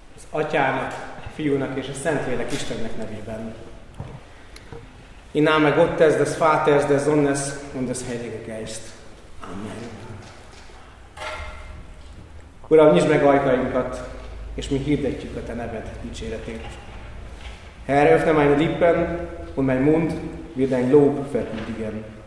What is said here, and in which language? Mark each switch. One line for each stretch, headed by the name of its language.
Hungarian: Atyának, Fiúnak és a Szentlélek Istennek nevében.
German: Iná meg ott ez, des Vater, des Sohnes, und des Heiligen Geist. Amen.
Hungarian: Uram, nyisd meg ajkainkat, és mi hirdetjük a Te neved dicséretét.
German: Herr, öffne meine Lippen, und mein Mund wird ein Lob verkündigen.